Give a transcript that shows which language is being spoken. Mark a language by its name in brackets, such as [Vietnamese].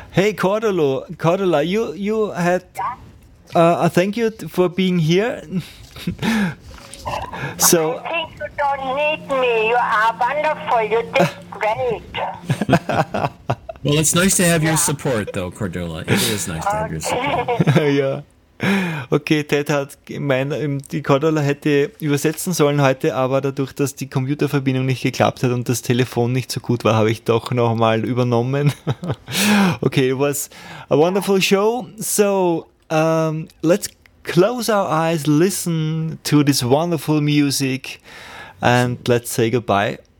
[English] Hey, Cordula, you had a thank you for being here. So, I think you don't need me. You are wonderful. You did great. Well, it's nice to have your support, though, Cordula. It is nice to have your support. [German] Ja. Okay, Ted hat gemeint, die Cordula hätte übersetzen sollen heute, aber dadurch, dass die Computerverbindung nicht geklappt hat und das Telefon nicht so gut war, habe ich doch nochmal übernommen. [English] Okay, it was a wonderful show. So, let's close our eyes, listen to this wonderful music, and let's say goodbye.